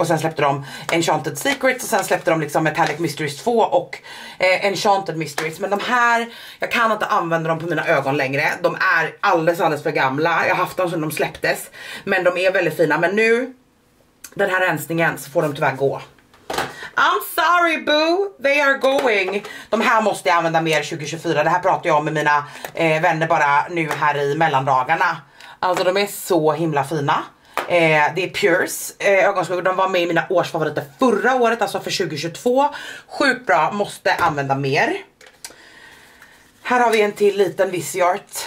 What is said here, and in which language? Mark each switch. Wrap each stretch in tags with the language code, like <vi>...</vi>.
<sv>Och sen släppte de Enchanted Secrets, och sen släppte de liksom Metallic Mysteries 2 och Enchanted Mysteries. Men de här, jag kan inte använda dem på mina ögon längre, de är alldeles för gamla. Jag har haft dem sedan de släpptes, men de är väldigt fina, men nu, den här rensningen, så får de tyvärr gå.</sv> <en>I'm sorry boo, they are going.</en> <sv>De här måste jag använda mer 2024. Det här pratar jag om med mina vänner bara nu här i mellandagarna. Alltså de är så himla fina. Det är Pures ögonskuggor. De var med i mina årsfavoriter förra året, alltså för 2022. Sjukt bra, måste använda mer. Här har vi en till liten Viseart.</sv>